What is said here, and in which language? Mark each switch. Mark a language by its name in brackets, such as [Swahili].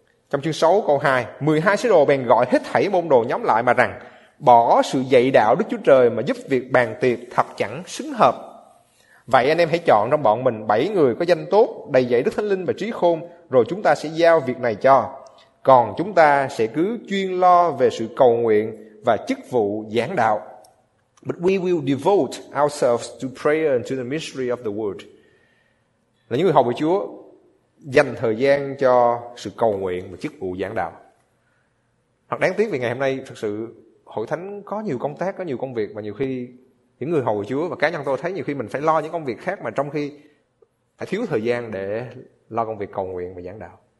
[Vietnamese] Trong chương 6 câu 2, 12 sứ đồ bèn gọi hết thảy môn đồ nhóm lại mà rằng, bỏ sự dạy đạo Đức Chúa Trời mà giúp việc bàn tiệc thật chẳng xứng hợp. Vậy anh em hãy chọn trong bọn mình 7 người có danh tốt, đầy dạy Đức Thánh Linh và trí khôn, rồi chúng ta sẽ giao việc này cho. Còn chúng ta sẽ cứ chuyên lo về sự cầu nguyện và chức vụ giảng đạo. [English] But we will devote ourselves to prayer and to the mystery of the word. [Vietnamese] Là những người hầu của Chúa dành thời gian cho sự cầu nguyện và chức vụ giảng đạo. Thật đáng tiếc vì ngày hôm nay thực sự hội thánh có nhiều công tác, có nhiều công việc, và nhiều khi những người hầu của Chúa và cá nhân tôi thấy nhiều khi mình phải lo những công việc khác mà trong khi phải thiếu thời gian để lo công việc cầu nguyện và giảng đạo.